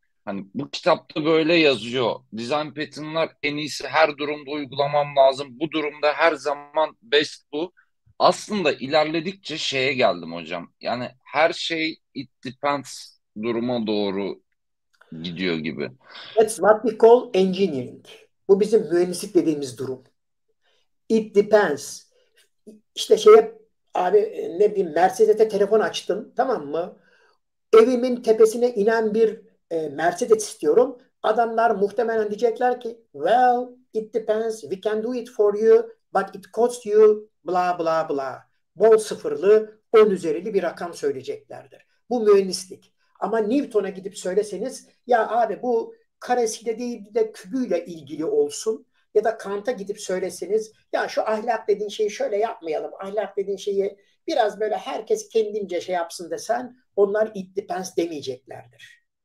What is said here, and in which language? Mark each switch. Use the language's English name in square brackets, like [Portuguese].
[Turkish] Hani bu kitapta böyle yazıyor. Design pattern'lar en iyisi her durumda uygulamam lazım. Bu durumda her zaman best bu. Aslında ilerledikçe şeye geldim hocam. Yani her şey [English] it depends [Turkish] duruma doğru gidiyor gibi. [English] That's what we call engineering. [Turkish] Bu bizim mühendislik dediğimiz durum. [English] It depends. [Turkish] İşte şeye abi ne bileyim Mercedes'e telefon açtın tamam mı? Evimin tepesine inen bir Mercedes istiyorum. Adamlar muhtemelen diyecekler ki [English] well it depends. We can do it for you but it costs you bla bla bla. [Turkish] Bol sıfırlı 10 üzerili bir rakam söyleyeceklerdir. Bu mühendislik. Ama Newton'a gidip söyleseniz ya abi bu karesiyle değil de kübüyle ilgili olsun ya da Kant'a gidip söyleseniz ya şu ahlak dediğin şeyi şöyle yapmayalım. Ahlak dediğin şeyi biraz böyle herkes kendince şey yapsın desen onlar [English] it depends [Turkish] demeyeceklerdir.